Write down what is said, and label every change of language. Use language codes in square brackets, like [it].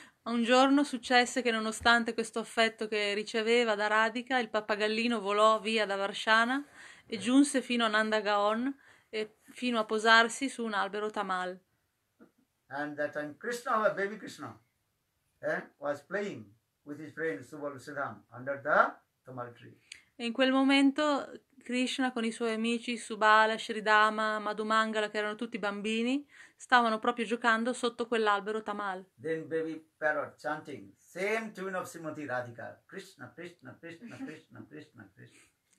[it] Un giorno successe che, nonostante questo affetto che riceveva da Radhika, il pappagallino volò via da Varshana e giunse fino a Nandagaon e fino a posarsi su un albero tamal. [en] And that time Krishna, our baby Krishna, was playing with his friend Subal Sudham under the tamal tree. [it] E in quel momento Krishna con i suoi amici Subala, Shridama, Madhumangala, che erano tutti bambini, stavano proprio giocando sotto quell'albero tamal. [en] Then baby parrot chanting same tune of Srimati Radhika, Krishna, Krishna, Krishna, Krishna, Krishna, Krishna.